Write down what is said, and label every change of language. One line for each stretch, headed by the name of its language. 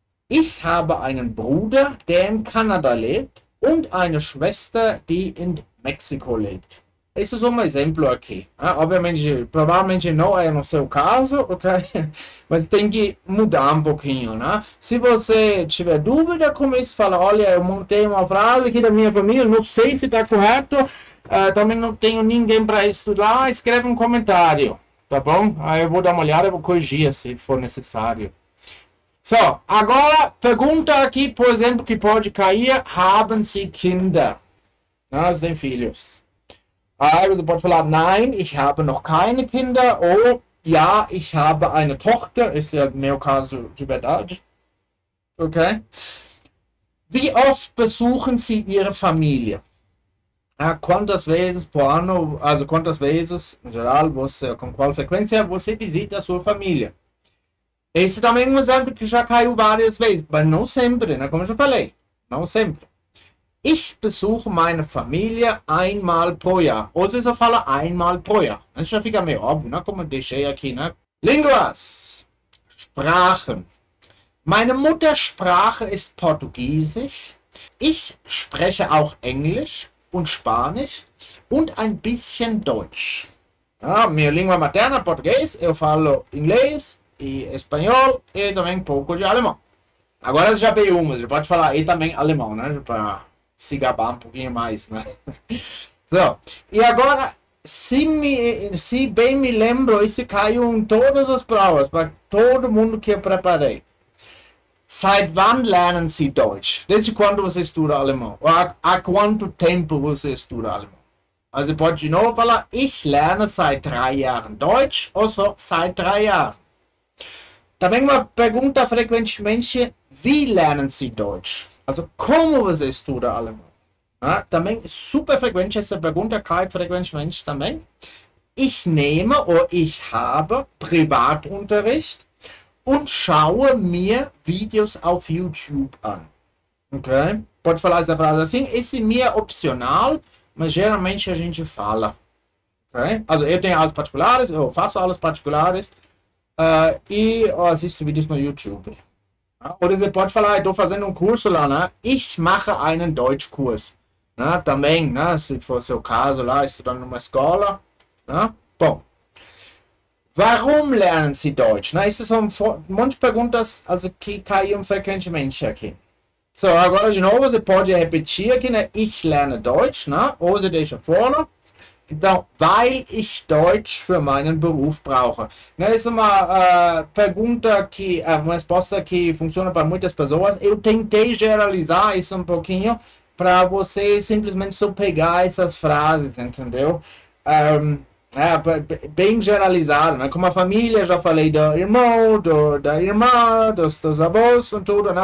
German: Ich habe einen Bruder, der in Kanada lebt, und eine Schwester, die in Mexiko lebt.
Portuguese: Esse é só um exemplo aqui. Ah, obviamente, provavelmente não é no seu caso, ok? Mas tem que mudar um pouquinho, né? Se você tiver dúvida com isso, fala: olha, eu montei uma frase aqui da minha família, não sei se está correto, também não tenho ninguém para estudar, escreve um comentário, tá bom? Aí eu vou dar uma olhada e vou corrigir se for necessário. Só, agora, pergunta aqui, por exemplo, que pode cair:
German: Haben Sie Kinder?
Portuguese: Nós tem filhos. Aí você pode falar:
German: Nein, ich habe noch keine Kinder. Ou: Ja, ich habe eine Tochter.
Portuguese: Esse é o meu caso de verdade. Ok?
German: Wie oft besuchen Sie Ihre Familie?
Portuguese: Ah, quantas vezes por ano, also quantas vezes, em geral, você, com qual frequência você visita a sua família? Esse também é um exemplo que já caiu várias vezes, mas não sempre, né? Como eu já falei, não sempre.
German: Ich besuche meine Familie einmal pro Jahr.
Portuguese: Ou se eu falo
German: einmal pro Jahr.
Portuguese: Das já fica meio óbvio, né? Como eu deixei aqui, né? Línguas. Sprachen.
German: Meine Muttersprache ist Portugiesisch. Ich spreche auch Englisch und Spanisch und ein bisschen Deutsch.
Portuguese: Ah, minha língua materna, português. Eu falo inglês e espanhol e também um pouco de alemão. Agora você já tem uma. Você pode falar e também alemão, né? Pra se gabar um pouquinho mais, né? Então, e agora, se bem me lembro, isso caiu em todas as provas, para todo mundo que eu preparei.
German: Seit wann lernen Sie Deutsch?
Portuguese: Desde quando você estuda alemão? Ou há quanto tempo você estuda alemão? Also, pode de novo falar:
German: Ich lerne seit 3 Jahren Deutsch,
Portuguese: ou só
German: seit 3 Jahren.
Portuguese: Também uma pergunta frequentemente:
German: Wie lernen Sie Deutsch?
Portuguese: Also, como você estuda alemão? Ah, também super frequente essa pergunta, cai frequentemente também.
German: Ich nehme oder ich habe Privatunterricht und schaue mir Videos auf YouTube an. Okay?
Portuguese: pode falar essa frase assim? Esse mi é opcional, mas geralmente a gente fala. Okay? Eu tenho aulas particulares, eu faço aulas particulares e eu assisto vídeos no YouTube. Ou você pode falar, estou fazendo curso lá, né?
German: Ich mache einen Deutschkurs.
Portuguese: Né? Também, né? Se for seu caso lá, estudando numa escola. Né? Bom.
German: Warum lernen Sie Deutsch?
Portuguese: Na, isso são um monte de perguntas also, que caíam frequentemente aqui. So, agora de novo, você pode repetir aqui, né?
German: Ich lerne Deutsch,
Portuguese: né? Ou você deixa fora.
German: Então, weil ich Deutsch für meinen Beruf brauche.
Portuguese: Na, isso é uma pergunta, que, uma resposta que funciona para muitas pessoas. Eu tentei generalizar isso um pouquinho para você simplesmente só pegar essas frases, entendeu? É, bem generalizado, né? Como a família, já falei do irmão, da irmã, dos avós e tudo, né?